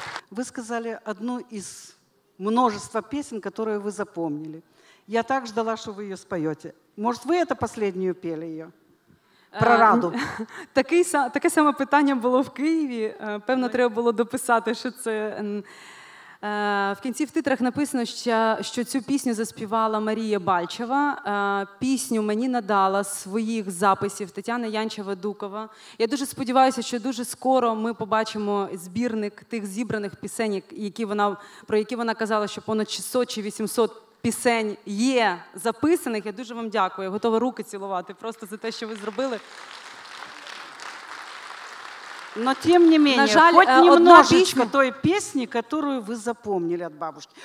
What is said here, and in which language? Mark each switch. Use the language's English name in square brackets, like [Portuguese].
[Russian] Вы сказали одну из множества песен, которые вы запомнили. Я так ждала, что вы ее споете. Может, вы это последнюю пели ее? Про раду. [Ukrainian] Таке саме питання було в Києві. Певно, треба було дописати, що це... В кінці в титрах написано, що цю пісню заспівала Марія Бальчева. Пісню мені надала своїх записів Тетяна Янчева-Дукова. Я дуже сподіваюся, що дуже скоро ми побачимо збірник тих зібраних пісень, про які вона казала, що понад 600 чи 800 пісень є записаних. Я дуже вам дякую. Готова руки цілувати просто за те, що ви зробили. [Russian] Но тем не менее, нажали, хоть немножечко той песни, которую вы запомнили от бабушки.